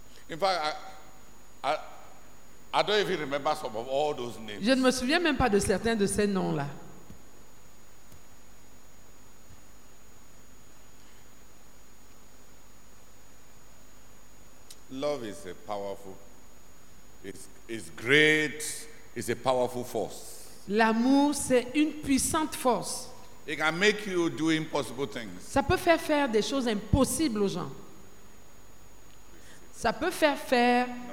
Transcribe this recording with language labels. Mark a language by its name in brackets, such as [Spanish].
[English] In fact, I don't even remember some of all those names. [French] Je ne me souviens même pas de certains de ces noms-là. [English] Love is a powerful, it's great, it's a powerful force. [French] L'amour, c'est une puissante force. [English] It can make you do impossible things. [French] Ça peut faire faire des choses impossibles aux gens. Ça peut faire faire...